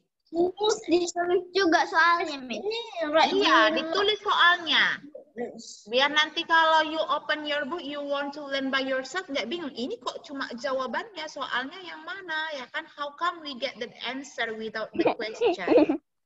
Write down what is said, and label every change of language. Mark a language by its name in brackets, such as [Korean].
[Indonesian] Miss, ditulis juga soalnya, miss. Iya, ditulis soalnya. Biar nanti kalau [English] you open your book, you want to learn by yourself, [Indonesian] gak bingung. Ini kok cuma jawabannya, soalnya yang mana, ya kan? [English] How come we get the answer without the question?